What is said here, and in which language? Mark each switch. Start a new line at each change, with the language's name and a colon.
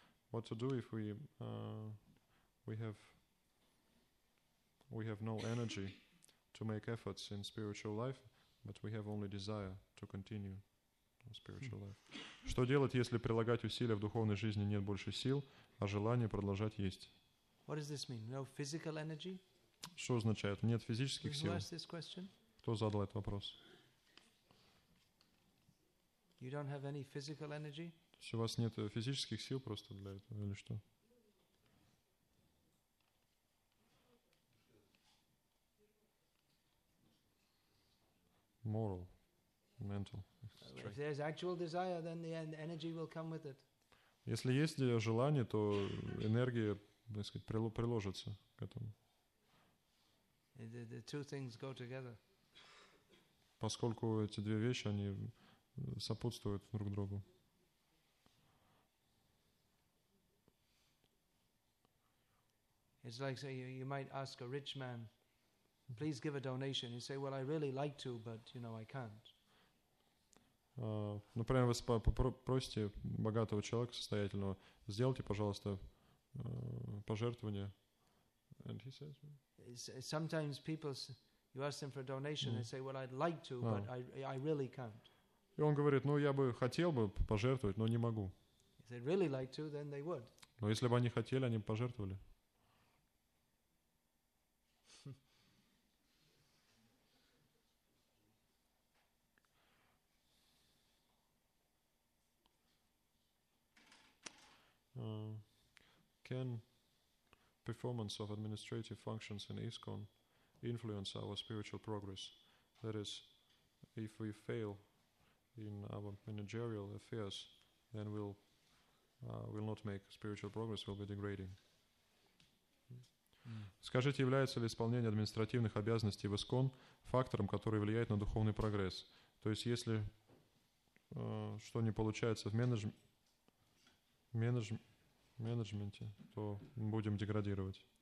English: What to do if we have no energy to make efforts in spiritual life, but we have only desire to continue spiritual life.
Russian: Что делать, если прилагать усилия в духовной жизни нет больше сил, а желание продолжать есть?
English: What does this mean? No physical energy?
Russian: Что означает? Нет физических сил?
English: Who asked this question?
Russian: Кто задал этот вопрос?
English: You don't have any physical energy?
Russian: То есть у вас нет физических сил просто для этого или что?
English: Moral, mental. If there's actual desire, then the energy will come with it.
Russian: Если есть желание, то энергия, так сказать, приложится к этому.
English: The two things go together.
Russian: Поскольку эти две вещи, они сопутствуют друг другу.
English: It's like, say, you might ask a rich man, please give a donation. You say, well, I really like to, but, you know, I can't.
Russian: Например, вы просите богатого человека, состоятельного, сделайте, пожалуйста, пожертвование.
English: And he says... Sometimes people, you ask them for a donation, they say, well, I'd like to, but I really can't.
Russian: И он говорит, ну, я бы хотел бы пожертвовать, но не могу.
English: If they'd really like to, then they would.
Russian: Но если бы они хотели, они бы пожертвовали.
English: Can performance of administrative functions in ISKCON influence our spiritual progress? That is, if we fail in our managerial affairs, then we'll not make spiritual progress, we'll be degrading.
Russian: Скажите, является ли исполнение административных обязанностей в ИСКОН фактором, который влияет на духовный прогресс? То есть, если что не получается в менеджменте, то будем деградировать.